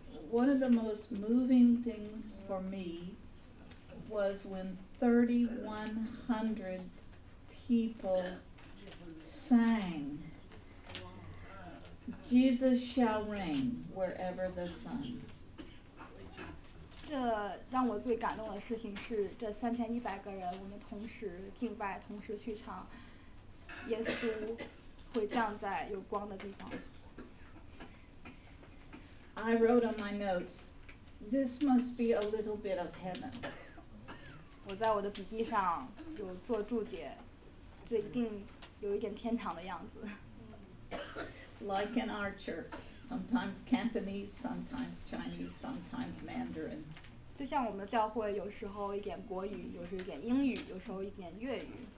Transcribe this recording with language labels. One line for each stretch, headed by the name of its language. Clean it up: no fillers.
English: One of the most moving things for me was when 3,100 people sang, "Jesus shall reign wherever the sun."
Chinese: 这让我最感动的事情是，这3,100个人，我们同时敬拜，同时去唱，耶稣会降在有光的地方。
English: I wrote on my notes, this must be a little bit of heaven.
Chinese: 我在我的笔记上有做注解，这一定有一点天堂的样子。
English: Like in our church, sometimes Cantonese, sometimes Chinese, sometimes Mandarin.
Chinese: 就像我们的教会，有时候一点国语，有时候一点英语，有时候一点粤语。